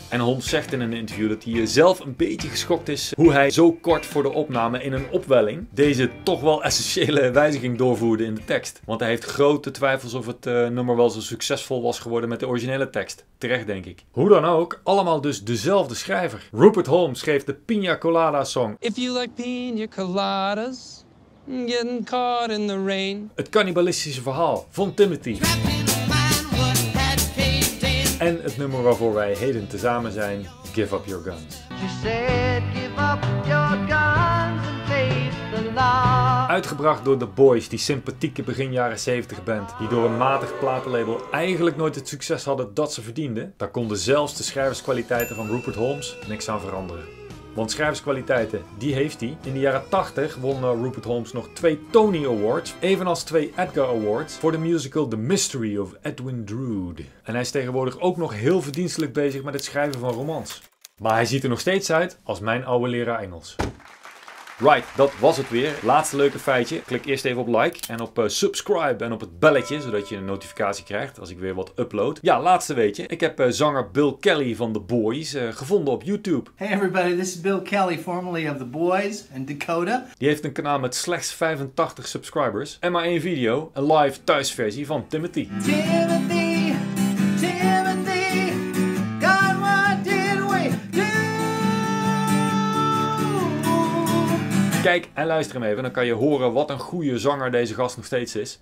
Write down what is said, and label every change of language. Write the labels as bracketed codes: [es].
[nl] En Holmes zegt in een interview dat hij zelf een beetje geschokt is hoe hij zo kort voor de opname in een opwelling deze toch wel essentiële wijziging doorvoerde in de tekst. Want hij heeft grote twijfels of het nummer wel zo succesvol was geworden met de originele tekst. Terecht, denk ik. Hoe dan ook, allemaal dus dezelfde schrijver. Rupert Holmes schreef de Piña Colada song. [en] If you like Piña Coladas, getting caught in the rain. [nl] Het cannibalistische verhaal van Timothy. En het nummer waarvoor wij heden tezamen zijn, Give Up Your Guns. [en] She said, give up your guns and face the law. [nl] Uitgebracht door The Boys, die sympathieke begin jaren 70 band, die door een matig platenlabel eigenlijk nooit het succes hadden dat ze verdienden, daar konden zelfs de schrijverskwaliteiten van Rupert Holmes niks aan veranderen. Want schrijverskwaliteiten, die heeft hij. In de jaren 80 won Rupert Holmes nog 2 Tony Awards, evenals 2 Edgar Awards, voor de musical The Mystery of Edwin Drood. En hij is tegenwoordig ook nog heel verdienstelijk bezig met het schrijven van romans. Maar hij ziet er nog steeds uit als mijn oude leraar Engels. Right, dat was het weer. Laatste leuke feitje. Klik eerst even op like en op subscribe en op het belletje, zodat je een notificatie krijgt als ik weer wat upload. Ja, laatste weetje. Ik heb zanger Bill Kelly van The Boys gevonden op YouTube. [en] Hey everybody, this is Bill Kelly, formerly of The Boys and Dakota. [nl] Die heeft een kanaal met slechts 85 subscribers en maar 1 video, een live thuisversie van Timothy. Kijk en luister hem even, dan kan je horen wat een goede zanger deze gast nog steeds is.